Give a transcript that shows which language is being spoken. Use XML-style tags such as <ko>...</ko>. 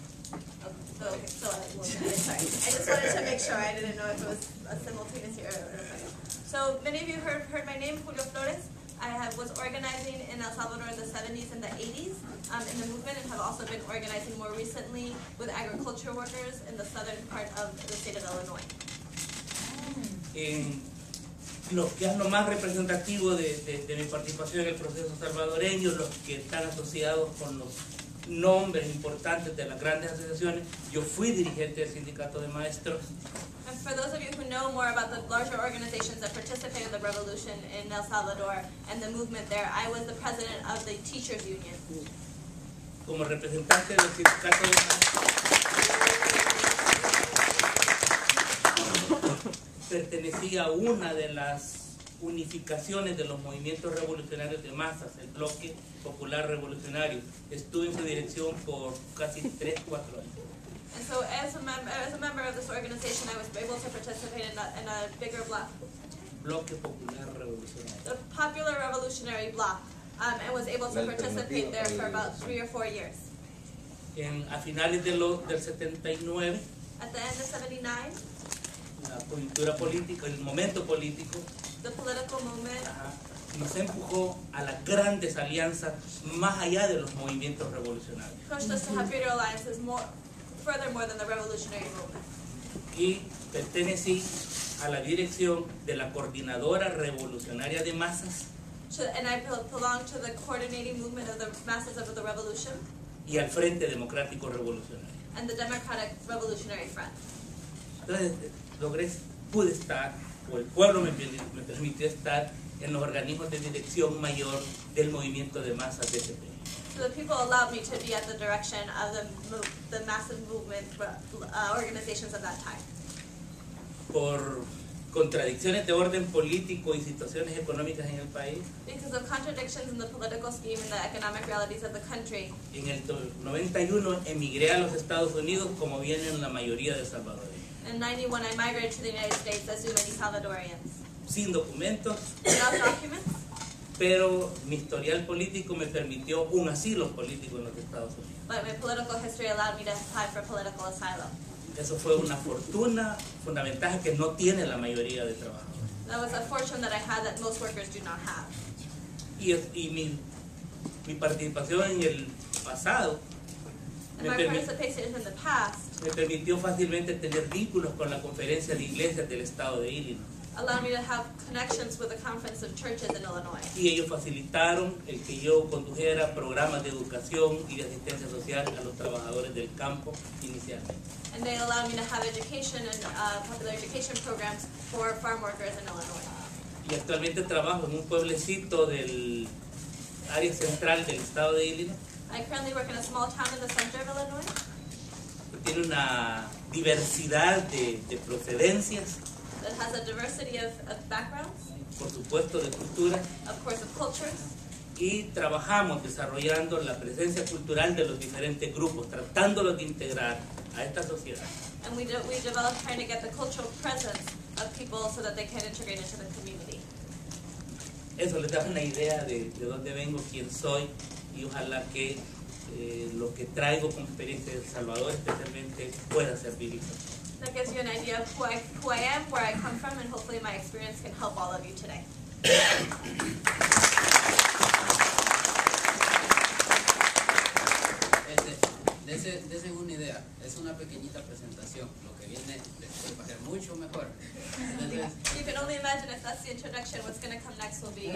<en>Okay, so I just wanted to make sure. I didn't know if it was a simultaneous here. So many of you heard my name, Julio Flores. I was organizing in El Salvador in the 70s and the 80s in the movement, and have also been organizing more recently with agriculture workers in the southern part of the state of Illinois.</en> <es>Lo que es lo más representativo de mi participación en el proceso salvadoreño, los que están asociados con los nombres importantes de las grandes asociaciones. Yo fui dirigente del sindicato de maestros.</es> <en>And for those of you who know more about the larger organizations that participate in the revolution in El Salvador and the movement there, I was the president of the teachers union.</en> <es>Como representante del sindicato de maestros. Pertenecía a una de las unificaciones de los movimientos revolucionarios de masas, el Bloque Popular Revolucionario. Estuve en su dirección por casi 3-4 años.</es> <en>And so as a member of this organization, I was able to participate in a bigger block.</en> <es>Bloque Popular Revolucionario.</es> <en>The Popular Revolutionary Block, and was able to participate there for about 3 or 4 years.</en> <es>A finales del 79,</es> <en>at the end of 79,</en> <es>la coyuntura política, el momento político,</es> <en>the political movement</en> <es>nos empujó a las grandes alianzas más allá de los movimientos revolucionarios.</es> <en>Pushed us to have bigger alliances furthermore than the revolutionary movement.</en> <es>Y pertenecí a la dirección de la Coordinadora Revolucionaria de Masas.</es> <en>And I belong to the coordinating movement of the masses of the revolution.</en> <es>Y al Frente Democrático Revolucionario.</es> <en>And the Democratic Revolutionary Front.</en> <es>Entonces, pude estar o el pueblo me permitió estar en los organismos de dirección mayor del movimiento de masas de ese país.</es> <en>The people allowed me to be at the direction of the massive movement organizations of that time.</en> <es>Por contradicciones de orden político y situaciones económicas en el país.</es> <en>Because of contradictions in the political scheme and the economic realities of the country.</en> <es>En el 91 emigré a los Estados Unidos como vienen la mayoría de salvadoreños.</es> <en>In 91 I migrated to the United States as do many Salvadorians.</en> <es>Sin documentos.</es> <en>Without documents.</en> <es>Pero mi historial político me permitió un asilo político en los Estados Unidos.</es> <en>But my political history allowed me to apply for political asylum.</en> <es>Eso fue una fortuna, un ventaja que no tiene la mayoría de trabajadores.</es> <en>That was a fortune that I had that most workers do not have.</en> <es>Y mi participación en el pasado me permitió fácilmente tener vínculos con la conferencia de iglesias del estado de Illinois.</es> <en>Allowed me to have connections with the conference of churches in Illinois.</en> <es>Y ellos facilitaron el que yo condujera programas de educación y de asistencia social a los trabajadores del campo inicialmente.</es> <en>And they allowed me to have education and popular education programs for farm workers in Illinois.</en> <es>Y actualmente trabajo en un pueblecito del área central del estado de Illinois.</es> <en>I currently work in a small town in the center of Illinois.</en> <es>Que tiene una diversidad de procedencias.</es> <en>That has a diversity of backgrounds.</en> <es>Por supuesto, de cultura.</es> <en>Of course, of cultures.</en> <es>Y trabajamos desarrollando la presencia cultural de los diferentes grupos, tratándolos de integrar a esta sociedad.</es> <en>And we develop trying to get the cultural presence of people so that they can integrate into the community.</en> <es>Eso les da una idea de dónde vengo, quién soy, y ojalá que lo que traigo con experiencia de El Salvador especialmente pueda servir.</es> <en>That gives you an idea of who I am, where I come from, and hopefully my experience can help all of you today.</en> <es>Dese una idea, es una pequeñita presentación, lo que viene después va a ser mucho mejor.</es> <en>You can only imagine if that's the introduction, what's going to come next will be much</en>